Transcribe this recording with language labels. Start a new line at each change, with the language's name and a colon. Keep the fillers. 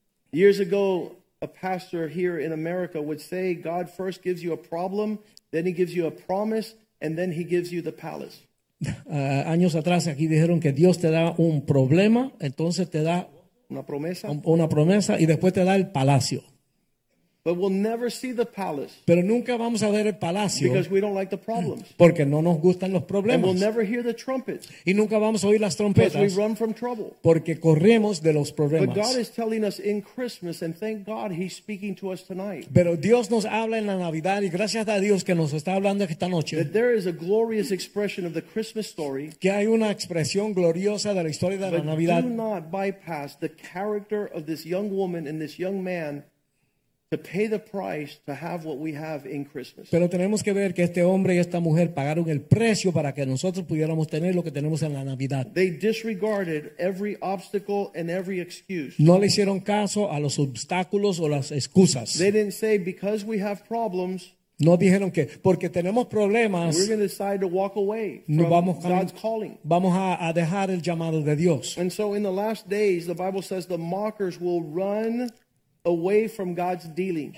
English: Years ago, a pastor here in America would say, God first gives you a problem, then he gives you a promise, and then he gives you the palace.
Spanish: Uh, años atrás aquí dijeron que Dios te da un problema, entonces te da una promesa, un, una promesa y después te da el palacio.
English: But we'll never see the palace.
Spanish: Pero nunca vamos a ver el palacio.
English: Because we don't like the problems.
Spanish: Porque no nos gustan los problemas.
English: And we'll never hear the trumpets.
Spanish: Y nunca vamos a oír las trompetas.
English: we run from trouble.
Spanish: Porque corremos de los problemas.
English: But God is telling us in Christmas and thank God he's speaking to us tonight.
Spanish: Pero Dios nos habla en la Navidad y gracias a Dios que nos está hablando esta noche.
English: That there is a glorious expression of the Christmas story.
Spanish: Que hay una expresión gloriosa de la historia de la Navidad.
English: But do not bypass the character of this young woman and this young man. To pay the price to have what we have in Christmas.
Spanish: Pero tenemos que ver que este hombre y esta mujer pagaron el precio para que nosotros pudiéramos tener lo que tenemos en la Navidad.
English: They disregarded every obstacle and every excuse.
Spanish: No le hicieron caso a los obstáculos o las excusas.
English: They didn't say, Because we have problems.
Spanish: No dijeron que porque tenemos problemas. No
English: to to
Spanish: vamos a,
English: God's calling.
Spanish: Vamos a, a, dejar el llamado de Dios.
English: And so in the last days the Bible says the mockers will run Away from God's dealing.